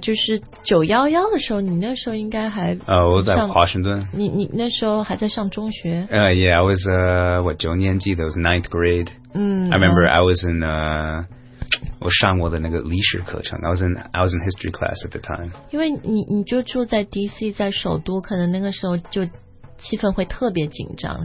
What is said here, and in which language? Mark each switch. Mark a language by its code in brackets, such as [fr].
[zh] 就是911的时候你那时候应该还我在华盛顿你那时候还在上中学 [en] yeah I was what [zh] 九年级 [en] that was ninth grade I remember I was in [zh] 我上我的那个历史课程 [en] I was in history class at the time [zh] 因为 你就住在 DC 在首都可能那个时候就气氛会特别紧张